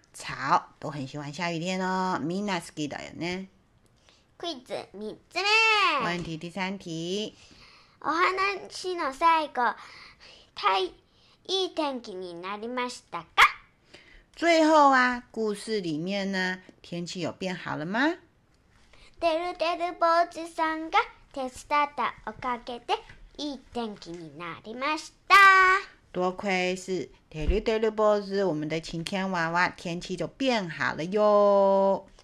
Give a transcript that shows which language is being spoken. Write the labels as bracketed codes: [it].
[zh] 草都很喜欢下雨天哦， [ja] みんな好きだよね。クイズ三つ目。 [zh] 问题第三题。 [ja] お話の最後、いい天気になりましたか？ [zh] 最后啊，故事里面呢，天气有变好了吗？ [ja] てるてる坊主さんが手伝ったおかげでいい天気になりました。 [zh] 多亏是テルテル坊主，我们的晴天娃娃天气就变好了哟。